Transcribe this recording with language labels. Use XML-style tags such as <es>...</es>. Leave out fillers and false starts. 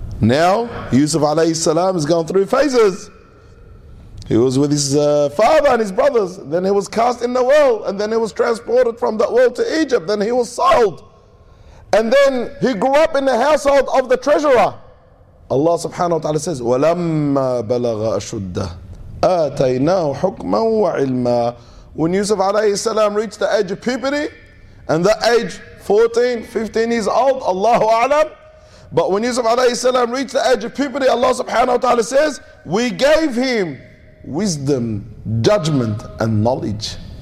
<en>Now Yusuf alayhi salam is going through phases. He was with his father and his brothers. Then he was cast in the well, and then he was transported from that well to Egypt. Then he was sold. And then he grew up in the household of the treasurer. Allah subhanahu wa ta'ala says,</en> <ar>وَلَمَّا بَلَغَ أَشُدَّهُ آتَيْنَاهُ حُكْمًا وَعِلْمًا.</ar> <en>When Yusuf alayhi salam reached the age of puberty, and that age 14, 15 years old, Allahu A'lam. But when Yusuf alayhi salam reached the age of puberty, Allah subhanahu wa ta'ala says, we gave him wisdom, judgment, and knowledge.</en>